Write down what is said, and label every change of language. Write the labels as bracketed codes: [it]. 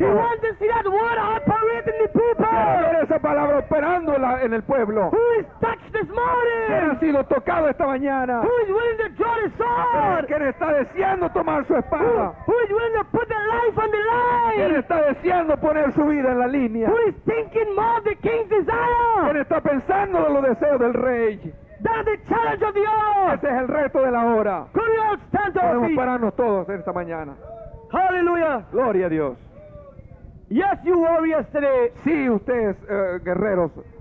[en] He wants to see that word operating in the people. [es] Quiere ver esa palabra operando. En el pueblo. [en] Who is touched this morning? [es] ¿Quién ha sido tocado esta mañana? [en] Who is willing to draw the sword? [es] ¿Quién está deseando tomar su espada? [en] Who is willing to put their life on the line? [es] ¿Quién está deseando poner su vida en la línea? [en] Who is thinking more of the king's desire? [es] ¿Quién está pensando en los deseos del rey? [en] That's the challenge of the hour. [es] Ese es el reto de la hora. [en] Could you all stand to our feet? [es] Podemos pararnos todos esta mañana. [en] Hallelujah. [es] Gloria a Dios. [en] Yes, you warriors today. [es] Sí, ustedes guerreros.